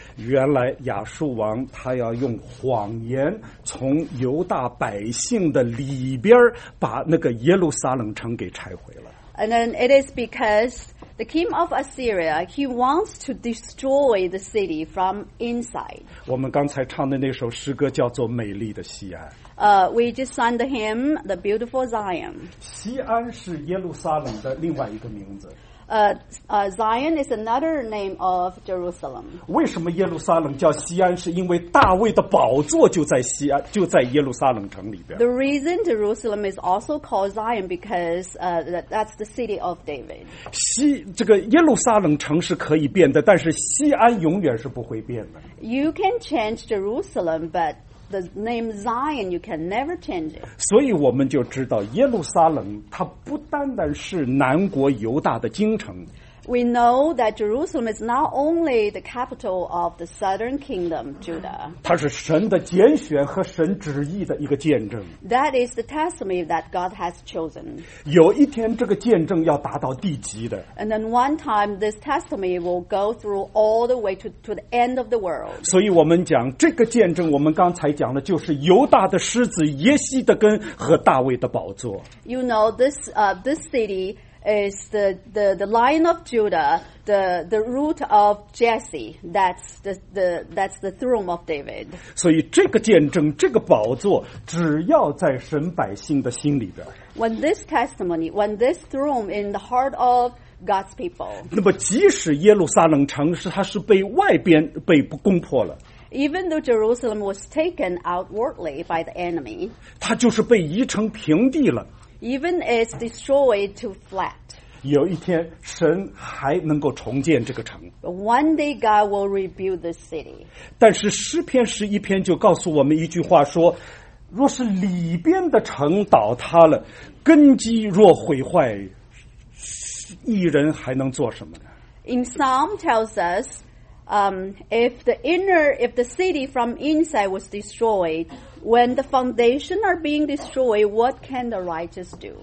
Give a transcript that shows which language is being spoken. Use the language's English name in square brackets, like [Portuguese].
[Chinese] 原来亚述王他要用谎言从犹大百姓的里边把那个耶路撒冷城给拆毁了。 [English] And then it is because the king of Assyria, he wants to destroy the city from inside. [Chinese] 我们刚才唱的那首诗歌叫做《美丽的西安》。 [English] We just sang the hymn, The Beautiful Zion. [Chinese] 西安是耶路撒冷的另外一个名字。 [English] Zion is another name of Jerusalem. [Chinese] 为什么耶路撒冷叫西安？是因为大卫的宝座就在西安，就在耶路撒冷城里边。 [English] The reason Jerusalem is also called Zion because that's the city of David. [Chinese] 西这个耶路撒冷城是可以变的，但是西安永远是不会变的。 [English] You can change Jerusalem, but the name Zion you can never change it. [Chinese] 所以我们就知道耶路撒冷它不单单是南国犹大的京城。 [English] We know that Jerusalem is not only the capital of the southern kingdom Judah. [Chinese] 它是神的拣选和神旨意的一个见证。 [English] That is the testimony that God has chosen. [Chinese] 有一天这个见证要达到地极的。 [English] And then one time this testimony will go through all the way to the end of the world. [Chinese] 所以我们讲这个见证，我们刚才讲的就是犹大的狮子耶西的根和大卫的宝座。 [English] You know this city is the lion of Judah, the root of Jesse. That's the throne of David. [Chinese] 所以这个见证，这个宝座，只要在神百姓的心里边。 [English] When this testimony, when this throne in the heart of God's people. [Chinese] 那么即使耶路撒冷城是它是被外边被攻破了。 [English] Even though Jerusalem was taken outwardly by the enemy, [Chinese] 它就是被夷成平地了。 [English] Even it's destroyed to flat. [Chinese] 有一天，神还能够重建这个城。 [English] One day God will rebuild the city. [Chinese] 但是诗篇十一篇就告诉我们一句话说，若是里边的城倒塌了，根基若毁坏，一人还能做什么呢？ [English] In Psalm tells us,if the city from inside was destroyed, when the foundation are being destroyed, what can the righteous do?